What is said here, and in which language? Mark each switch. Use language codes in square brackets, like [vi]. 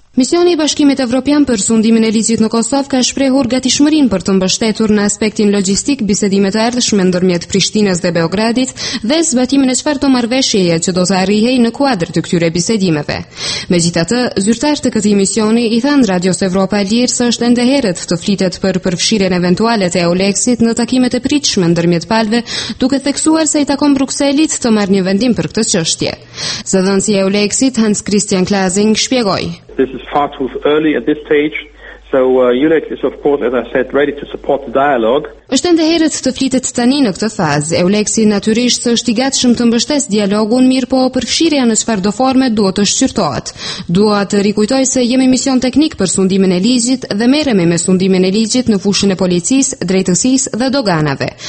[sq] Misioni i Bashkimit Evropian për sundimin e ligjit në Kosovë ka shprehur gatishmërinë për të mbështetur në aspektin logjistik bisedimet të ardhshme ndërmjet Prishtinës dhe Beogradit dhe zbatimin e çfarë do marrveshjeje që do të arrihej në kuadër të këtyre bisedimeve. Megjithatë, zyrtar të këtij misioni i than Radios Evropa e Lirë se është ende herët të flitet për përfshirjen eventuale të Euleksit në takimet e pritshme ndërmjet palëve, duke theksuar se i takon Brukselit të marrë një vendim për këtë çështje. Zëdhënësi i Euleksit Hans Christian Klasing shpjegoi: [en] "This is far too early at this stage. So UNEX is of course, as I said, ready to support the dialogue." [sq] Është ende herët të flitet tani në këtë fazë. Euleksi natyrisht është i gatshëm të mbështesë dialogun, mirë po përfshirja në çfarë do forme duhet të shqyrtohet. Dua të rikujtoj se jemi mision teknik për sundimin e ligjit dhe merremi me sundimin e ligjit në fushën e policisë, drejtësisë dhe doganave.